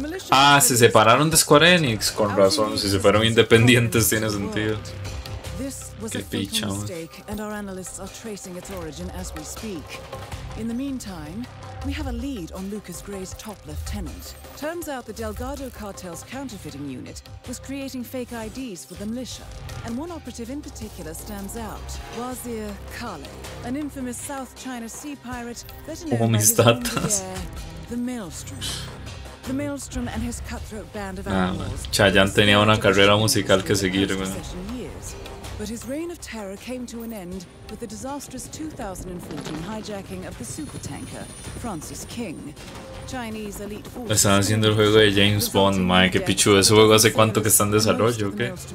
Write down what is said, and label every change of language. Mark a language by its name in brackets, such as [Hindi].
[Spanish] Ah, se separaron de Square Enix. Con razón, si se fueron independientes tiene sentido. Qué picha, man. [English] And our analysts are tracing its origin as we speak. In the meantime, We have a lead on Lucas Gray's top lieutenant. Turns out the Delgado cartel's counterfeiting unit was creating fake IDs for the militia. And one operative in particular stands out, Wazir Kale, an infamous South China Sea pirate better known by his own gear, the Maelstrom. The Maelstrom and his cutthroat band of animals. [Spanish] Chayanne tenía una carrera musical que seguir, man. [English] But his reign of terror came to an end with the disastrous 2014 hijacking of the supertanker Francis King. Chinese elite forces. [Spanish] Están haciendo el juego de James Bond, man. Qué pichu. Ese juego hace cuánto que está en desarrollo, ¿qué?